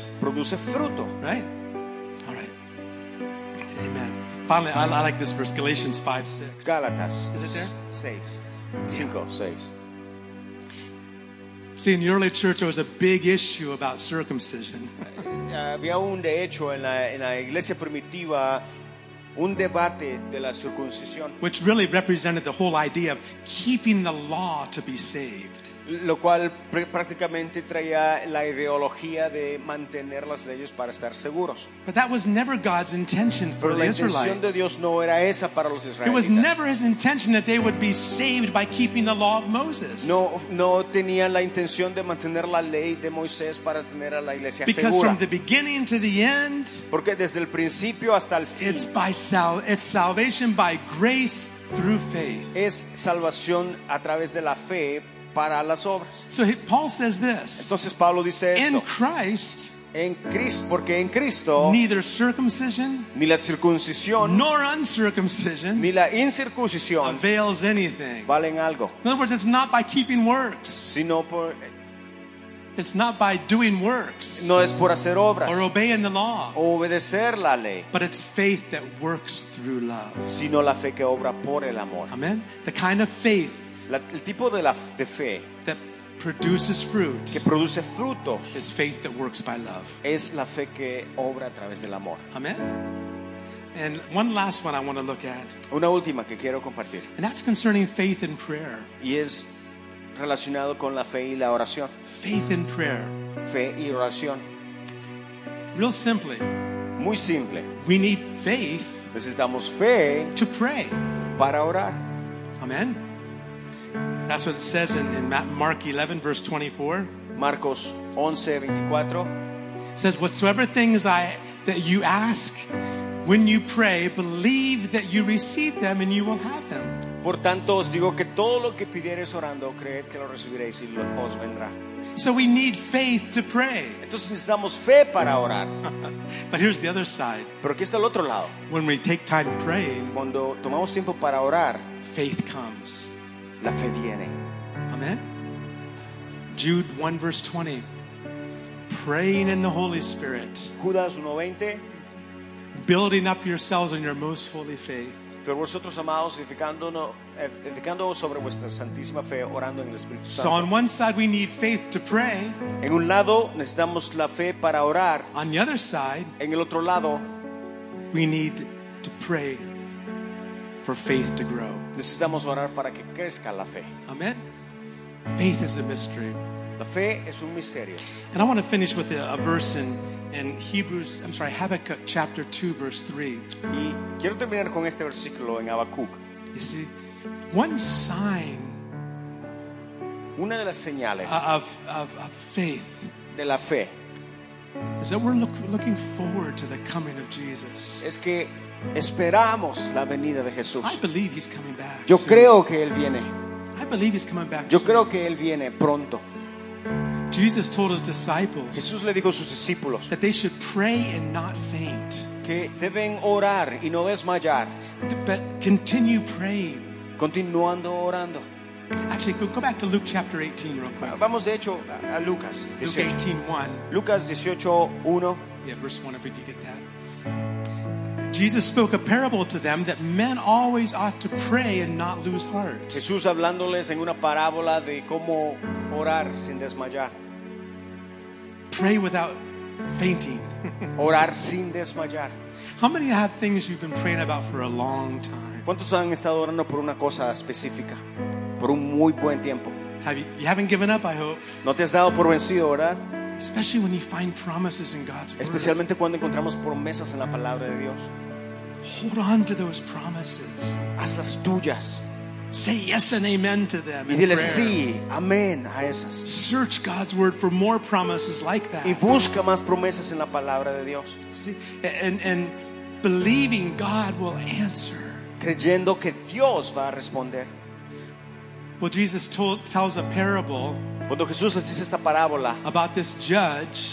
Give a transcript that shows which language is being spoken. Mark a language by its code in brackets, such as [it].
[es] Produce fruto. [en] Right? All right. Amen. Finally, I like this verse, Galatians 5:6. [es] Galatas. [en] Is it there? 6. 5, yeah. 6. See, in the early church, there was a big issue about circumcision. [es] Había un de hecho en la iglesia primitiva un debate de la circuncisión, [en] which really represented the whole idea of keeping the law to be saved. [es] Lo cual prácticamente traía la ideología de mantener las leyes para estar seguros. [en] But that was never God's intention for the Israelites. [es] Pero la intención de Dios no era esa para los israelitas. [en] It was never His intention that they would be saved by keeping the law of Moses. [es] No tenía la intención de mantener la ley de Moisés para tener a la iglesia segura. [en] Because from the beginning to the end, [es] porque desde el principio hasta el fin, [en] it's salvation by grace through faith. [es] Es salvación a través de la fe. Para las obras. [en] So Paul says this. [es] Entonces Pablo dice esto. [en] In Christ, [es] en Cristo, porque en Cristo, [en] neither circumcision, [es] ni la circuncisión, [en] nor uncircumcision, [es] ni la incircuncisión, [en] avails anything. [es] Valen algo. [en] In other words, it's not by keeping works. [es] Sino por, [en] it's not by doing works. [es] No es por hacer obras. [en] Or obeying the law. [es] O obedecer la ley. [en] But it's faith that works through love. [es] Sino la fe que obra por el amor. [en] Amen. The kind of faith. [es] El tipo de fe [en] that produces fruit [es] que produce frutos [en] is faith that works by love. [es] Es la fe que obra a través del amor. [en] Amen. And one last one I want to look at. [es] Una última que quiero compartir. [en] And that's concerning faith and prayer. [es] Y es relacionado con la fe y la oración. [en] Faith and prayer. [es] Fe y oración. [en] Real simply. [es] Muy simple. [en] We need faith. [es] Necesitamos fe [en] to pray. [es] Para orar. [en] Amen. That's what it says in Mark 11, verse 24. [es] Marcos 11, 24. [en] It says, whatsoever things that you ask when you pray, believe that you receive them and you will have them. [es] Por tanto, os digo que todo lo que pidieres orando, creed que lo recibiréis y os vendrá. [en] So we need faith to pray. [es] Entonces necesitamos fe para orar. [en] But here's the other side. [es] Pero aquí está el otro lado. [en] When we take time praying, [es] cuando tomamos tiempo para orar, [en] faith comes. [es] La fe viene. [en] Amen. Jude 1 verse 20. Praying in the Holy Spirit. [es] Judas 1:20. [en] Building up yourselves in your most holy faith. [es] Pero vosotros amados, edificándoos sobre vuestra santísima fe, orando en el Espíritu Santo. [en] So on one side we need faith to pray. [es] En un lado necesitamos la fe para orar. [en] On the other side, [es] en el otro lado, [en] we need to pray for faith to grow. [es] Necesitamos orar para que crezca la fe. [en] Amen. Faith is a mystery. [es] La fe es un misterio. [en] And I want to finish with a verse in Hebrews, I'm sorry, Habakkuk chapter 2 verse 3. [es] Y quiero terminar con este versículo en Habacuc. [en] You see, one sign, [es] una de las señales [en] of faith, [es] de la fe, [en] is that we're looking forward to the coming of Jesus. [es] Es que esperamos la venida de Jesús. [en] I believe he's coming back. [es] Yo creo que él viene. [en] I believe he's coming back. [es] Yo creo que él viene pronto. [en] Jesus told his disciples. [es] Jesús le dijo a sus discípulos [en] that they should pray and not faint. [es] Que deben orar y no desmayar. [en] But continue praying. [es] Continuando orando. [en] Actually, go back to Luke chapter 18 real quick. [es] Vamos de hecho a Lucas 18. [en] Luke 18:1. [es] Lucas 18:1. [en] Yeah, verse 1, if you get that. Jesus spoke a parable to them that men always ought to pray and not lose heart. [es] Jesús hablándoles en una parábola de cómo orar sin desmayar. [en] Pray without fainting. [es] Orar sin desmayar. [en] How many have things you've been praying about for a long time? [es] ¿Cuántos han estado orando por una cosa específica por un muy buen tiempo? [en] You haven't given up, I hope. [es] ¿No te has dado por vencido, verdad? [en] Especially when you find promises in God's word. [es] Especialmente cuando encontramos promesas en la palabra de Dios. [en] Hold on to those promises. [es] Hazlas tuyas. [en] Say yes and amen to them. [es] Y dile sí, amén a esas. [en] Search God's word for more promises like that. [es] Y busca más promesas en la palabra de Dios. [en] See, and believing God will answer. [es] Creyendo que Dios va a responder. [en] Well, Jesus tells a parable. [es] Cuando Jesús les dice esta parábola [en] about this judge,